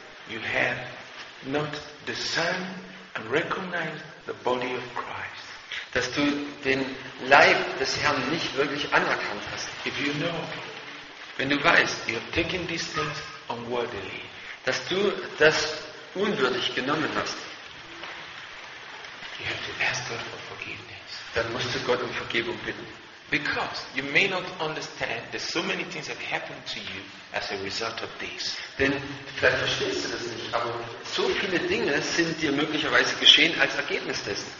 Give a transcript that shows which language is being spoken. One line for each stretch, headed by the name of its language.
English: you have not discerned and recognized the body of Christ,
German: dass du den Leib des Herrn nicht wirklich anerkannt hast,
English: if you know,
German: wenn du weißt,
English: you have taken these things unworthily,
German: dass du das unwürdig genommen hast,
English: you have to ask God for forgiveness.
German: Dann musst du Gott um Vergebung bitten.
English: Because you may not understand that so many things have happened to you as a result of this.
German: Denn vielleicht verstehst du das nicht, aber so viele Dinge sind dir möglicherweise geschehen als Ergebnis dessen.